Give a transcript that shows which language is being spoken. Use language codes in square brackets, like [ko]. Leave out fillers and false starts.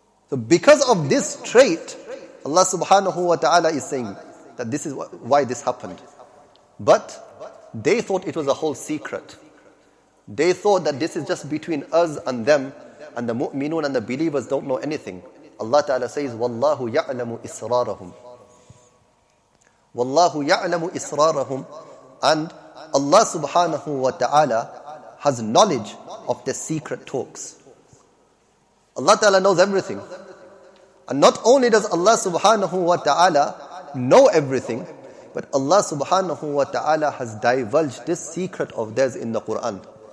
[en] So because of this trait, Allah subhanahu wa ta'ala is saying that this is why this happened. But they thought it was a whole secret. They thought that this is just between us and them, and the mu'minun and the believers don't know anything. Allah ta'ala says, [ar] وَاللَّهُ يَعْلَمُ إِسْرَارَهُمْ وَاللَّهُ يَعْلَمُ إِسْرَارَهُمْ. [en] And Allah subhanahu wa ta'ala has knowledge of their secret talks. Allah ta'ala knows everything. And not only does Allah subhanahu wa ta'ala know everything, but Allah subhanahu wa ta'ala has divulged this secret of theirs in the Quran.